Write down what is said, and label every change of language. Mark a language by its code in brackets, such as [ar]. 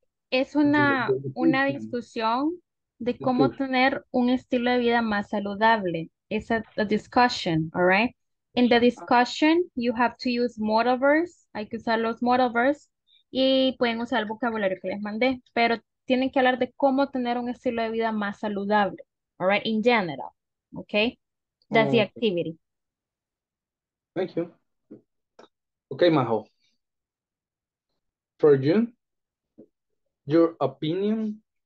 [es] Es una discusión de cómo tener un estilo de vida más saludable. [en] It's a discussion, all right? In the discussion, you have to use modal verbs. [es] Hay que usar los modal verbs y pueden usar el vocabulario que les mandé. Pero tienen que hablar de cómo tener un estilo de vida más saludable. [en] All right, in general. Okay, that's the activity. Thank you. Okay, Majo. For you, your opinion